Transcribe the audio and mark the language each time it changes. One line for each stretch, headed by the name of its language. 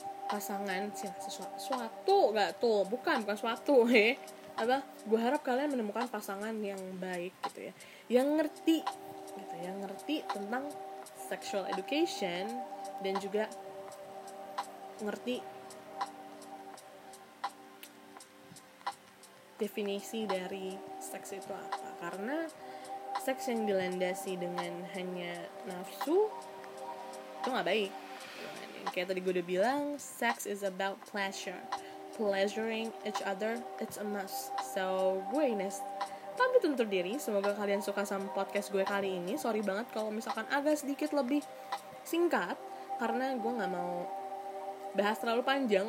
Indonesian: pasangan sesuatu gak tuh, bukan suatu apa, gue harap kalian menemukan pasangan yang baik gitu ya, yang ngerti tentang sexual education dan juga ngerti definisi dari seks itu apa. Karena seks yang dilandasi dengan hanya nafsu itu gak baik. Kayak tadi gue udah bilang,
English: sex is about pleasure. Pleasuring each other, it's a must.
Indonesian: So, gue Ines pamit untuk diri, semoga kalian suka sama podcast gue kali ini. Sorry banget kalau misalkan agak sedikit lebih singkat, karena gue gak mau bahas terlalu panjang.